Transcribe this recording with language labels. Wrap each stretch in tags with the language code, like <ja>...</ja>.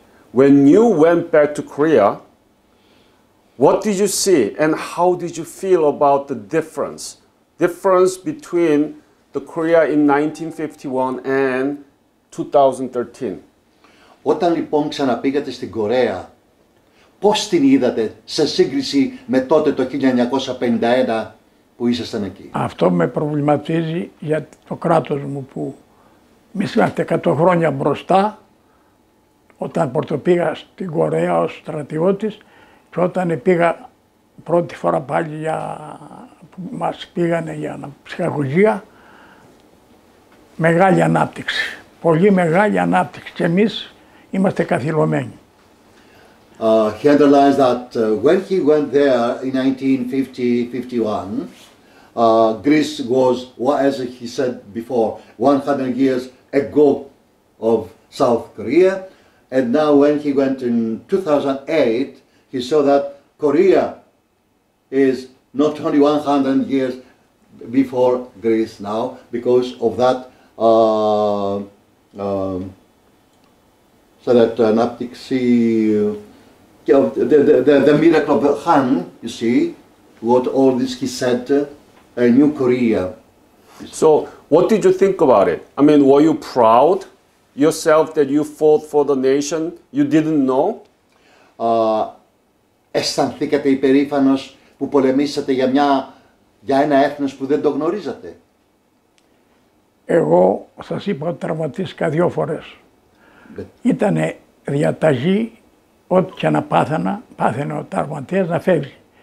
<en>When you went back to Korea, what did you see and how did you feel about the difference? Difference between the Korea in 1951 and 2013.</en> <el>Όταν λοιπόν ξαναπήγατε στην Κορέα, πώς την είδατε σε σύγκριση με τότε το 1951 που ήσασταν εκεί? Αυτό με προβληματίζει για το κράτος μου που μισήματε 100 χρόνια μπροστά όταν πρωτοπήγα στην Κορέα ως στρατιώτης και όταν πήγα πρώτη φορά πάλι για που μας πήγανε για ψυχαγωγία, μεγάλη ανάπτυξη, πολύ μεγάλη ανάπτυξη και εμείς είμαστε καθυλωμένοι.</el> <en>He underlines that when he went there in 1950-51, Greece was, as he said before, 100 years ago of South Korea. And now when he went in 2008, he saw that Korea is not only 100 years before Greece now, because of that, so that</en> <el>anaptyxi,</el> <en>the miracle of Han, you see, what all this he said, a new Korea. So, what did you think about it? I mean, were you proud yourself that you fought for the nation you didn't know?</en> <el>Αισθανθήκατε υπερήφανος που πολεμήσατε για μια, για ένα έθνος που δεν το γνωρίζατε? Εγώ σας είπα ότι τραυματίστηκα δύο φορές. Ήτανε διαταγή, ό,τι και να πάθαινε ο τραυματίας, να φεύγει.</el>